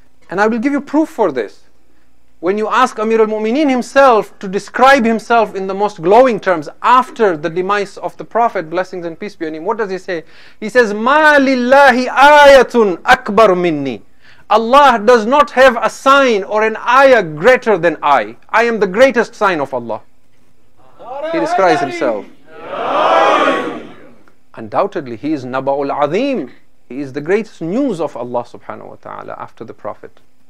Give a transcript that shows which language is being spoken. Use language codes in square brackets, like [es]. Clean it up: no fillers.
[en] And I will give you proof for this. When you ask Amir al-Mu'mineen himself to describe himself in the most glowing terms after the demise of the Prophet, blessings and peace be on him, what does he say? He says, [ar] مَا لِلَّهِ آيَةٌ أَكْبَرُ مِنِّي. [en] Allah does not have a sign or an ayah greater than I. I am the greatest sign of Allah. He describes himself. Undoubtedly, he is Naba'ul Azeem. He is the greatest news of Allah subhanahu wa ta'ala after the Prophet.